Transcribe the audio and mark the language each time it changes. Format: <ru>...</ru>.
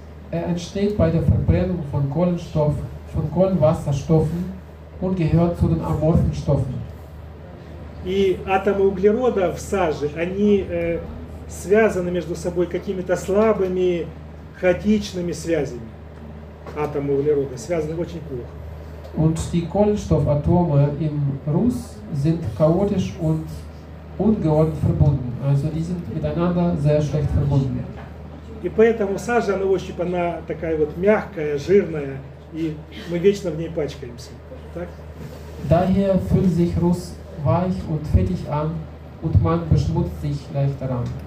<de>Entsteht bei der Verbrennung von Kohlenstoff, von Kohlenwasserstoffen und gehört zu den amorphen Stoffen.</de> <ru>И атомы углерода в саже, они связаны между собой какими-то слабыми, хаотичными связями. Атомы углерода связаны очень плохо.</ru> <de>Und die Kohlenstoffatome im Ruß sind chaotisch und ungeordnet verbunden. Also die sind miteinander sehr schlecht verbunden.</de> <ru>И поэтому сажа на ощупь, она такая вот мягкая, жирная, и мы вечно в ней пачкаемся. Так?</ru> <de>Daher fühlt sich Ruß weich und fettig an und man beschmutzt sich leicht daran.</de>